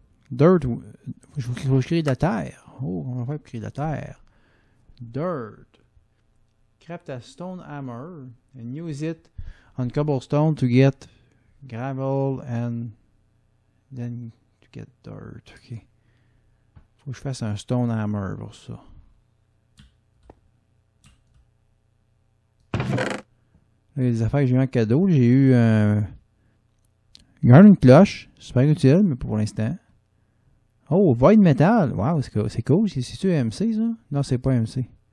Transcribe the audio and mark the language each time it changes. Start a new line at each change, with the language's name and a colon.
French: Dirt, il faut créer de la terre. Oh, on va faire pour créer de la terre.
English: Dirt. Craft a stone hammer and use it on cobblestone to get gravel and then to get dirt. Ok.
French: Il faut que je fasse un stone hammer pour ça. Les affaires que j'ai eu en cadeau, j'ai eu une cloche, super utile, mais pour l'instant. Oh, Void Metal, waouh, c'est cool, c'est situé MC ça? Non, c'est pas MC.